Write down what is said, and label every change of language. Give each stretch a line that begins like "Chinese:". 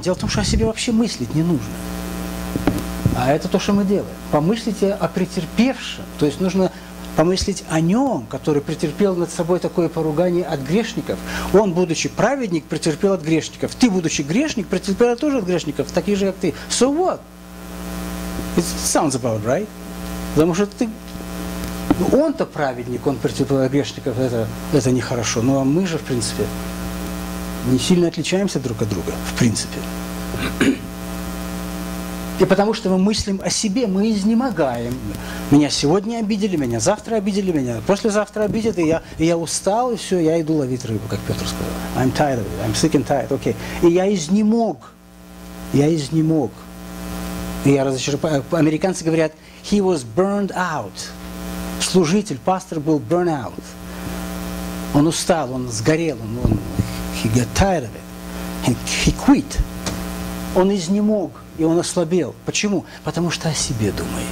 Russian: Дело в том, что о себе вообще мыслить не нужно. А это то, что мы делаем. Помыслите о претерпевшем. То есть нужно помыслить о нем, который претерпел над собой такое поругание от грешников. Он, будучи праведник, претерпел от грешников. Ты, будучи грешник, претерпел тоже от грешников, такие же, как ты.
English: So what? It sounds about right.
Russian: Потому что ты Ну, он-то праведник, он претерпевает грешников, это нехорошо. Ну, а мы же, в принципе, не сильно отличаемся друг от друга, в принципе. И потому что мы мыслим о себе, мы изнемогаем. Меня сегодня обидели, меня завтра обидели, меня послезавтра обидят, и я устал, и все, я иду ловить рыбу, как Петр сказал.
English: I'm tired of it, I'm sick and tired, okay.
Russian: И я изнемог. И я разочарован. Американцы говорят,
English: he was burned out.
Russian: Служитель, пастор был burned out. Он устал, он сгорел, он
English: he got tired of it. He quit.
Russian: Он изнемог. И он ослабел. Почему? Потому что о себе думает.